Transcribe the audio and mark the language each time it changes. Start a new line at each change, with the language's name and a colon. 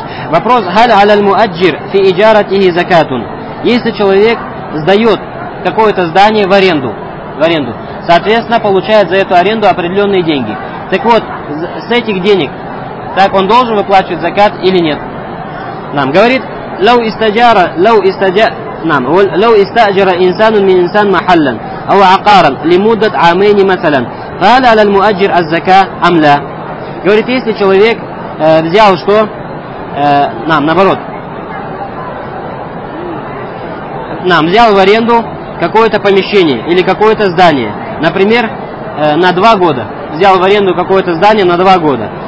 Russian: Вопрос:
Arabic: «Халь аляль муаджир фи иджаратихи закатун?»
Russian: Если человек сдает какое-то здание в аренду, соответственно, получает за эту аренду определенные деньги. Так вот, с этих денег, так он должен выплачивать закат или нет? Нам говорит:
Arabic: لو استأجر إنسان من إنسان محلا أو عقارا لمدة عامين مثلا فهل على المؤجر الزكاة أم لا؟
Russian: Говорит, если человек взял что? Нам, наоборот. Нам, взял в аренду какое-то помещение или какое-то здание. Например, на 2 года. Взял в аренду какое-то здание на 2 года.